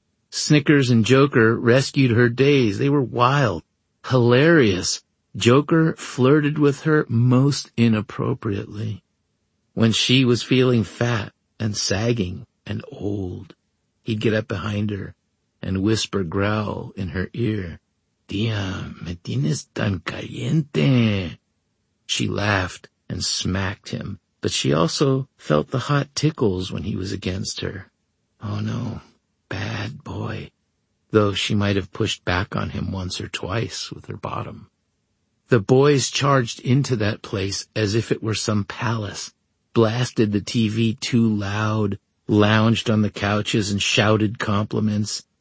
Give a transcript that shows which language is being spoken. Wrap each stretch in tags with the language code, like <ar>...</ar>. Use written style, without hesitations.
<en>Snickers and Joker rescued her days. They were wild, hilarious. Joker flirted with her most inappropriately when she was feeling fat and sagging and old. He'd get up behind her and whisper growl in her ear.</en> <es>Tía, me tienes tan caliente.</es> <en>She laughed and smacked him. But she also felt the hot tickles when he was against her. Oh no, bad boy. Though she might have pushed back on him once or twice with her bottom. The boys charged into that place as if it were some palace, blasted the TV too loud, lounged on the couches and shouted compliments.</en>